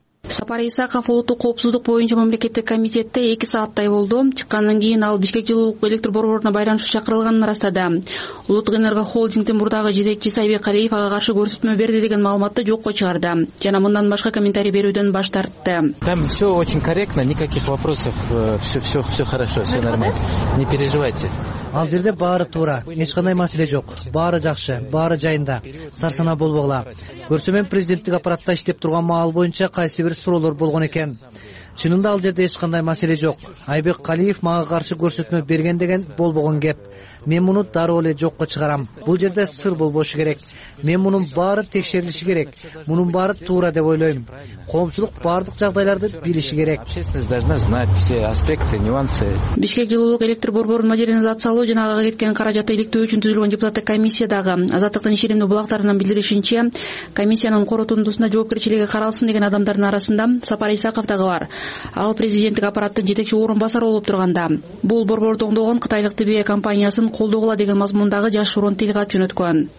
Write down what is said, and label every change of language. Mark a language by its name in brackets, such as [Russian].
[Kyrgyz] Сапар Исаков улуттук коопсуздук боюнча мамлекеттик комитетте 2 сааттай болду. Чыккандан кийин ал Бишкек жылуулук электр борборуна байланышуу чакырылганын ырастады. Улуттук энергохолдингдин мурдагы жетекчиси Айбек Калиев ага каршы көрсөтмө берди деген маалыматты жокко чыгарды жана мындан башка комментарий берүүдөн баш тартты. [Russian] Там все очень корректно, никаких вопросов, все хорошо, все нормально. Не переживайте. [Kyrgyz] Ал жерде баары туура, эч кандай маселе жок. Баары жакшы, баары жайында. Сарсана болбогула. Көрсө мен президенттик аппаратта иштеп турган маал боюнча кайсы бир суроолор болгон экен. Чынында ал жерде эч кандай маселе жок. Айбек Калиев мага каршы көрсөтмө берген деген болбогон кеп. Мен муну дароо эле жокко чыгарам. Бул жерде сыр болбошу керек. Мен мунун баары текшерилиши керек. Мунун баары туура деп ойлойм. Коомчулук баардык жагдайларды билиши керек. [Russian] Общественность должна знать все аспекты, нюансы. [Kyrgyz] Бишкек жылуулук электр борборун модернизациялоо жана ага кеткен каражатты иликтөө үчүн түзүлгөн депутаттык комиссия дагы Азаттыктын ишенимдүү булактарынан билдиришинче комиссиянын корутундусунда жоопкерчилиги каралсын деген адамдардын арасында Сапар Исаков дагы бар. Ал президенттик аппараттын жетекчи орун басары болуп турганда бул борборду оңдогон кытайлык ТБЭ компаниясын колдогула деген мазмундагы жашыруун тил кат жөнөткөн.